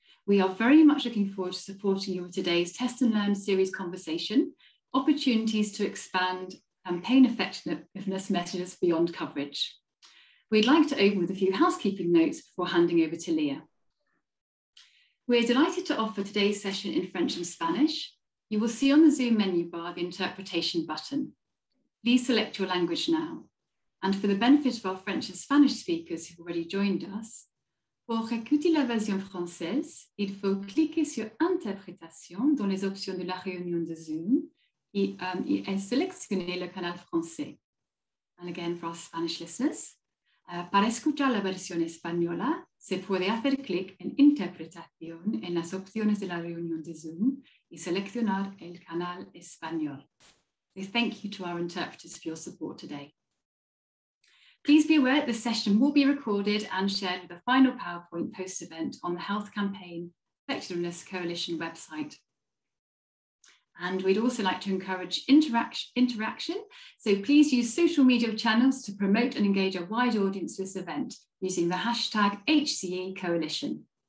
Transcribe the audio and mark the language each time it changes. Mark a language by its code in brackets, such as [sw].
[en] We are very much looking forward to supporting you with today's Test and Learn series conversation, opportunities to expand campaign effectiveness measures beyond coverage. We'd like to open with a few housekeeping notes before handing over to Leah. We're delighted to offer today's session in French and Spanish. You will see on the Zoom menu bar the interpretation button. Please select your language now. And for the benefit of our French and Spanish speakers who've already joined us, [fr] pour écouter la version française, il faut cliquer sur Interprétation dans les options de la réunion de Zoom et sélectionner le canal français. [en] And again, for our Spanish listeners, [es] para escuchar la versión española, se puede hacer clic en Interpretación en las opciones de la reunión de Zoom y seleccionar el canal español. [en] So thank you to our interpreters for your support today. Please be aware the session will be recorded and shared with a final PowerPoint post-event on the Health Campaign Effectiveness Coalition website. And we'd also like to encourage interaction, so please use social media channels to promote and engage a wide audience with this event using the hashtag HCE Coalition.